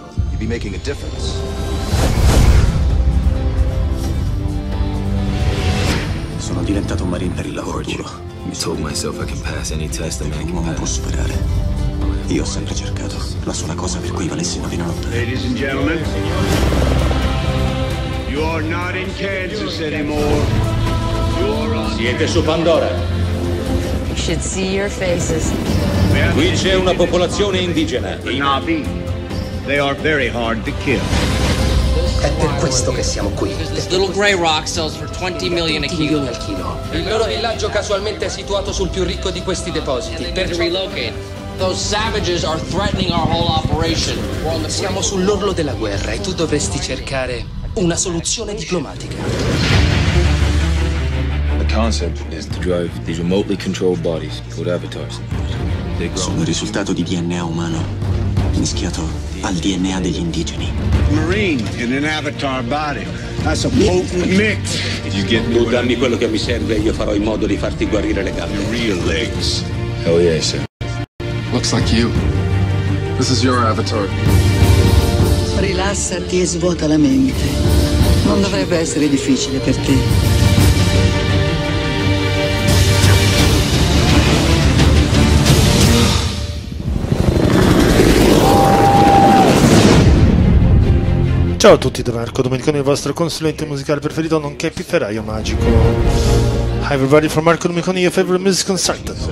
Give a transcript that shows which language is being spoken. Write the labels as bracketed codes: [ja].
[en] You'd be making a difference. [it] Sono diventato un marine per il lavoro duro. [en] I told myself I can pass any test. [it] Non può superare. Io ho sempre cercato la sola cosa per cui valesse 9-9. [en] Ladies and gentlemen, you are not in Kansas anymore. [it] Siete su Pandora. [en] You should see your faces. [it] Qui c'è una popolazione indigena. [en] I Na'vi. They are very hard to kill. [it] È per questo che siamo qui. [en] This little gray rock sells for 20 million a kilo. [it] Il loro villaggio casualmente è situato sul più ricco di questi depositi. [en] Those savages are threatening our whole operation. [it] Siamo sull'orlo della guerra e tu dovresti cercare una soluzione diplomatica. [en] The concept is to drive these remotely controlled bodies called avatars. [it] Sono il risultato di DNA umano mischiato al DNA degli indigeni. [en] Marine in an avatar body. That's a potent mix. You get me, [it] tu dammi quello che mi serve e io farò in modo di farti guarire le gambe. [en] Real legs. Hell yeah, sir. Looks like you. This is your avatar. [it] Rilassati e svuota la mente. Non dovrebbe essere difficile per te. Ciao a tutti, da Marco Domenicone, il vostro consulente musicale preferito, nonché pifferaio magico. [en] Hi everybody, from Marco Domenicone, your favorite music consultant.